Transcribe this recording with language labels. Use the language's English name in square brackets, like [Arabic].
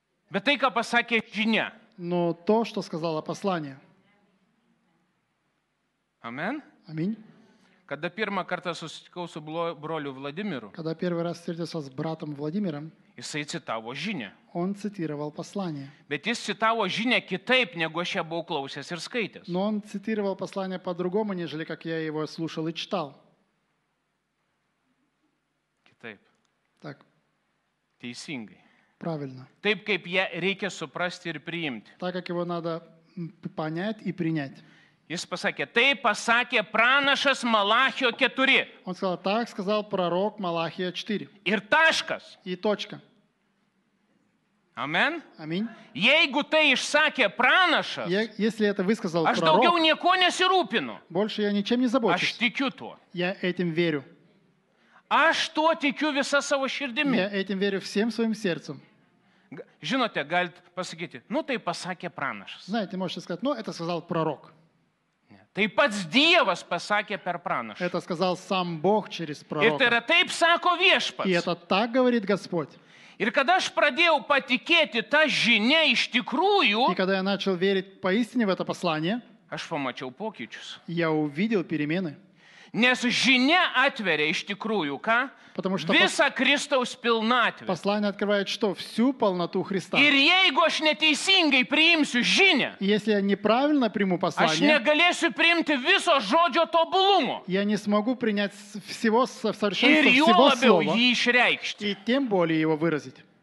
[Lithuanian] Bet tai, ką pasakė žinia. [Russian] Но то, что сказала послание. [Lithuanian] Amen. [Russian] Amen. Когда первый раз встретился с бролю Владимиру. Когда первый раз встретился с братом Владимиром. [Lithuanian] Jisai citavo žinia. [Russian] Он цитировал послание. [Lithuanian] Bet jis citavo žinia kitaip, negu aš ją buvau klausęs ir skaitęs. [Russian] Но он цитировал послание по-другому, нежели как я его слушал и читал. [Lithuanian] Kitaip. [Russian] Так. [Lithuanian] Teisingai. [Russian] Правильно. [Lithuanian] Taip, kaip ją reikia suprasti ir priimti. [Russian] Так, как его надо понять и принять. [Lithuanian] Jis pasakė, taip pasakė pranašas Malachijo 4. [Russian] Он сказал, так сказал пророк Малахия 4. [Lithuanian] Ir taškas. [Russian] И точка. [Lithuanian] Amen. [Russian] Amen. [Lithuanian] Jeigu tai išsakė pranašas, [Russian] если это высказал пророк, [Lithuanian] aš daugiau nieko nesirūpinu. [Russian] Больше я ничем не забочусь. [Lithuanian] Aš tikiu tuo. [Russian] Я этим верю. [Lithuanian] Aš tuo tikiu visą savo širdimi. [Russian] Я этим верю всем своим сердцем. [Lithuanian] Žinote, galit pasakyti, ну tai pasakė pranašas. [Russian] Знаете, можете сказать, ну это сказал пророк. [Lithuanian] Tai pats Dievas pasakė per pranašą. [Russian] Это сказал сам Бог через пророка. [Lithuanian] Ir tai yra taip sako Viešpats. [Russian] И это так говорит Господь. [Lithuanian] Ir kada aš pradėjau patikėti tą žinią iš tikrųjų, [Russian] и когда я начал верить поистине в это послание, [Lithuanian] aš pamačiau pokyčius. [Russian] Я увидел перемены. [Lithuanian] Nes žinia atveria iš tikrųjų, ką? [Russian] Потому что [Lithuanian] visa Kristaus pilnatvė. [Russian] Послание открывает что? Всю полноту Христа. [Lithuanian] Ir jeigu aš neteisingai priimsiu žinią, [Russian] если я неправильно приму послание, [Lithuanian] aš negalėsiu priimti viso žodžio tobulumo. [Russian] Я не смогу принять всего совершенства [Lithuanian] ir [Russian] всего слова. [Lithuanian] Ir labiau jį išreikšti. [Russian] И тем более его выразить.